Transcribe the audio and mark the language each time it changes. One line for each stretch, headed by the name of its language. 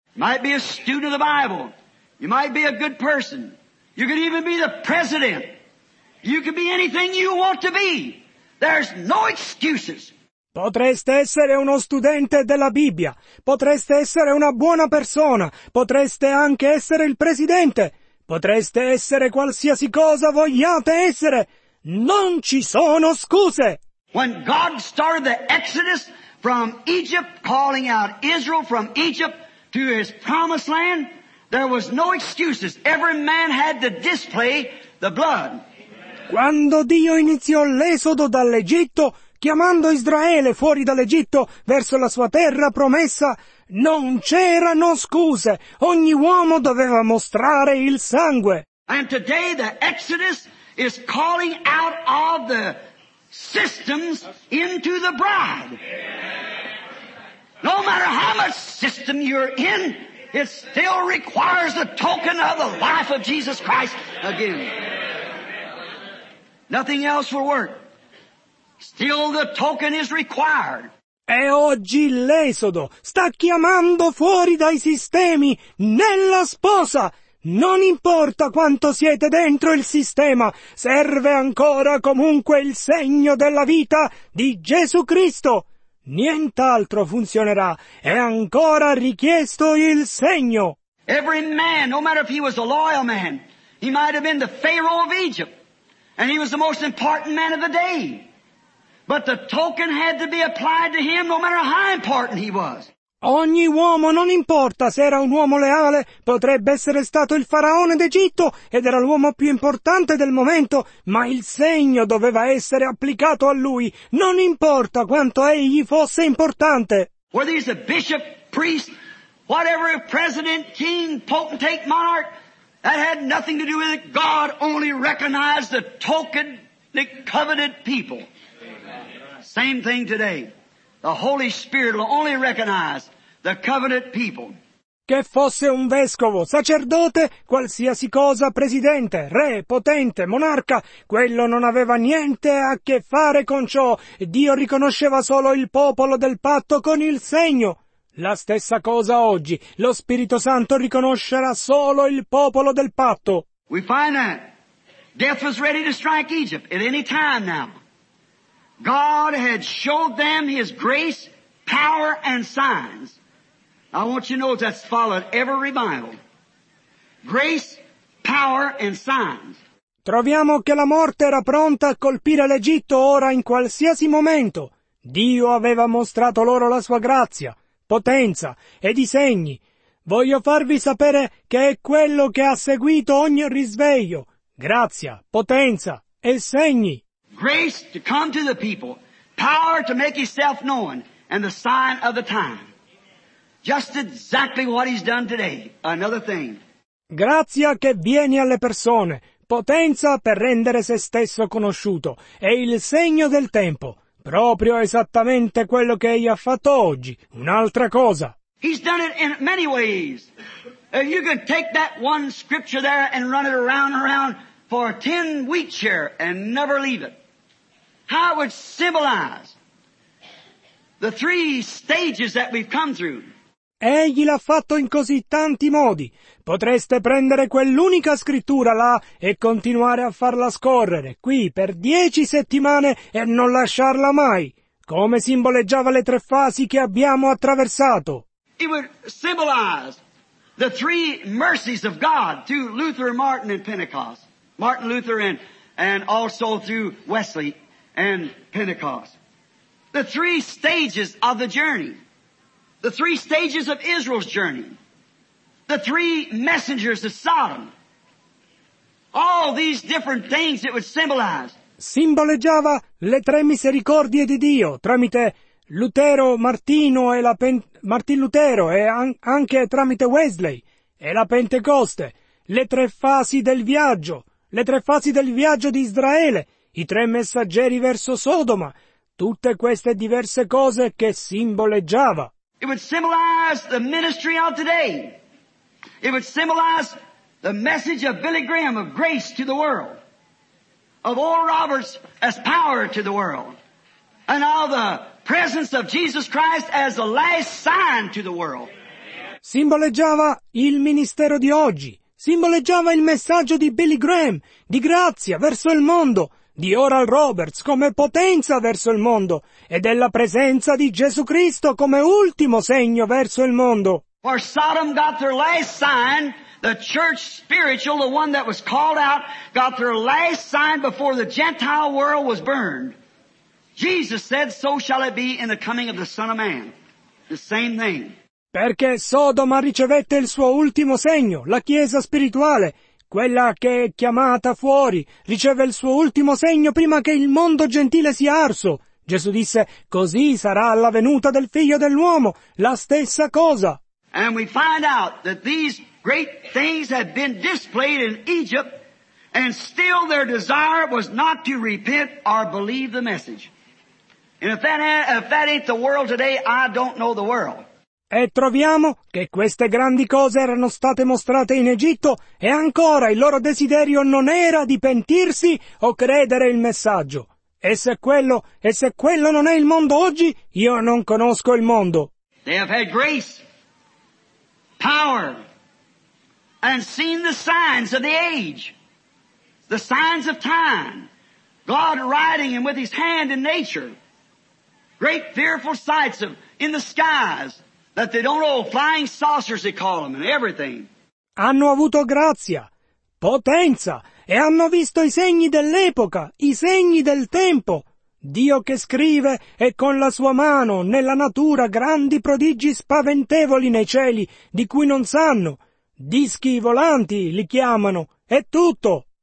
English: Might be a student of the Bible, you might be a good person, you could even be the president, you could be anything you want to be, there's no excuses.
Italian: Potreste essere uno studente della Bibbia, potreste essere una buona persona, potreste anche essere il presidente, potreste essere qualsiasi cosa vogliate essere. Non ci sono scuse!
English: When God started the Exodus from Egypt, calling out Israel from Egypt to his promised land, there was no excuses. Every man had to display the blood.
Italian: Quando Dio iniziò l'esodo dall'Egitto, chiamando Israele fuori dall'Egitto verso la sua terra promessa, non c'erano scuse. Ogni uomo doveva mostrare il sangue.
English: And today the Exodus is calling out of the systems into the bride. No matter how much system you're in, it still requires the token of the life of Jesus Christ again. Nothing else will work. Still the token is required.
Italian: E oggi l'esodo sta chiamando fuori dai sistemi nella sposa. Non importa quanto siete dentro il sistema, serve ancora comunque il segno della vita di Gesù Cristo. Nient'altro funzionerà. È ancora richiesto il segno.
English: Every man, no matter if he was a loyal man, he might have been the Pharaoh of Egypt, and he was the most important man of the day. But the token had to be applied to him no matter how important he was.
Italian: Ogni uomo, non importa se era un uomo leale, potrebbe essere stato il faraone d'Egitto ed era l'uomo più importante del momento, ma il segno doveva essere applicato a lui, non importa quanto egli fosse importante.
English: Whether he's a bishop, priest, whatever, president, king, potentate, monarch, that had nothing to do with it. God only recognized the token, the coveted people. Same thing today. The Holy Spirit will only recognize the covenant people.
Italian: Che fosse un vescovo, sacerdote, qualsiasi cosa, presidente, re, potente, monarca, quello non aveva niente a che fare con ciò. Dio riconosceva solo il popolo del patto con il segno. La stessa cosa oggi. Lo Spirito Santo riconoscerà solo il popolo del patto.
English: We find that death was ready to strike Egypt at any time now. God had showed them His grace, power, and signs. I want you to know that's followed every revival. Grace, power, and signs.
Italian: Troviamo che la morte era pronta a colpire l'Egitto ora in qualsiasi momento. Dio aveva mostrato loro la sua grazia, potenza ed i segni. Voglio farvi sapere che è quello che ha seguito ogni risveglio. Grazia, potenza e segni.
English: Grace to come to the people, power to make himself known, and the sign of the time. Just exactly what he's done today. Another thing.
Italian: Grazia che viene alle persone, potenza per rendere se stesso conosciuto, è il segno del tempo. Proprio esattamente quello che egli ha fatto oggi. Un'altra cosa.
English: He's done it in many ways. If you could take that one scripture there and run it around and around for 10 weeks here and never leave it, how it would symbolize the three stages that we've come through.
Italian: Egli l'ha fatto in così tanti modi. Potreste prendere quell'unica scrittura là e continuare a farla scorrere qui per 10 settimane e non lasciarla mai, come simboleggiava le tre fasi che abbiamo attraversato.
English: It would symbolize the three mercies of God through Luther, Martin and Pentecost. Martin Luther and also through Wesley and Pentecost. The three stages of the journey. The three stages of Israel's journey. The three messengers of Sodom. All these different things it would symbolize.
Italian: Simboleggiava le tre misericordie di Dio tramite Lutero, Martino e la Martin Lutero e anche tramite Wesley e la Pentecoste, le tre fasi del viaggio, le tre fasi del viaggio di Israele, i tre messaggeri verso Sodoma, tutte queste diverse cose che simboleggiava.
English: It would symbolize the ministry of today. It would symbolize the message of Billy Graham of grace to the world, of Oral Roberts as power to the world, and all the presence of Jesus Christ as the last sign to the world.
Italian: Simboleggiava il ministero di oggi. Simboleggiava il messaggio di Billy Graham di grazia verso il mondo, di Oral Roberts come potenza verso il mondo e della presenza di Gesù Cristo come ultimo segno verso il mondo.
English: For Sodom got their last sign, the church spiritual, the one that was called out, got their last sign before the Gentile world was burned. Jesus said, so shall it be in the coming of the Son of Man. The same thing.
Italian: Perché Sodoma ricevette il suo ultimo segno, la Chiesa spirituale, quella che è chiamata fuori, riceve il suo ultimo segno prima che il mondo gentile sia arso. Gesù disse, così sarà la venuta del Figlio dell'Uomo, la stessa cosa.
English: And we find out that these great things had been displayed in Egypt, and still their desire was not to repent or believe the message. And if that ain't the world today, I don't know the world.
Italian: E troviamo che queste grandi cose erano state mostrate in Egitto e ancora il loro desiderio non era di pentirsi o credere il messaggio. E se quello non è il mondo oggi, io non conosco il mondo.
English: They have had grace, power, and seen the signs of the age, the signs of time, God riding him with his hand in nature, great fearful sights of in the skies, that they don't know, flying saucers they call them, and everything.
Italian: Hanno avuto grazia, potenza, e hanno visto i segni dell'epoca, i segni del tempo. Dio che scrive e con la sua mano, nella natura, grandi prodigi spaventevoli nei cieli, di cui non sanno. Dischi volanti li chiamano, è tutto.